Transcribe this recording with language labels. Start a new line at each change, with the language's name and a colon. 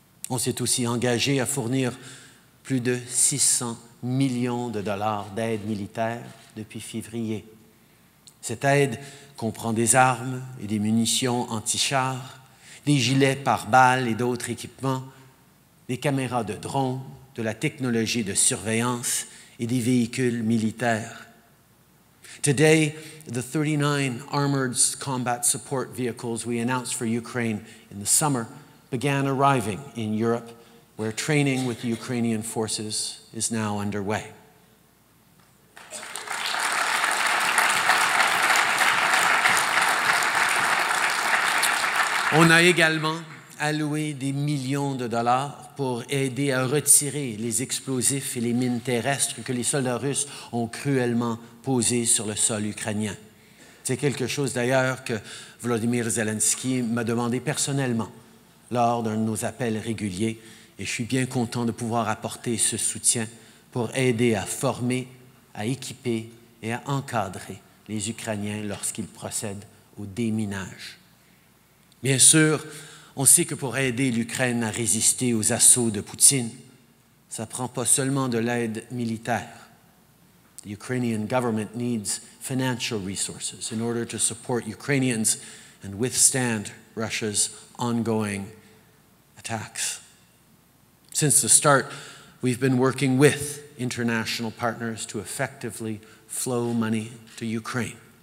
French: On s'est aussi engagé à fournir plus de 600 millions de dollars d'aide militaire depuis février. Cette aide comprend des armes et des munitions anti-chars, des gilets pare-balles et d'autres équipements, des caméras de drones, de la technologie de surveillance et des véhicules militaires.
English: Today, the 39 armored combat support vehicles we announced for Ukraine in the summer began arriving in Europe, where training with the Ukrainian forces is now underway.
French: On a également alloué des millions de dollars pour aider à retirer les explosifs et les mines terrestres que les soldats russes ont cruellement posés sur le sol ukrainien. C'est quelque chose d'ailleurs que Volodymyr Zelensky m'a demandé personnellement lors d'un de nos appels réguliers, et je suis bien content de pouvoir apporter ce soutien pour aider à former, à équiper et à encadrer les Ukrainiens lorsqu'ils procèdent au déminage. Bien sûr, on sait que pour aider l'Ukraine à résister aux assauts de Poutine, ça prend pas seulement de l'aide militaire.
English: The Ukrainian government needs financial resources in order to support Ukrainians and withstand Russia's ongoing attacks. Since the start, we've been working with international partners to effectively flow money to Ukraine.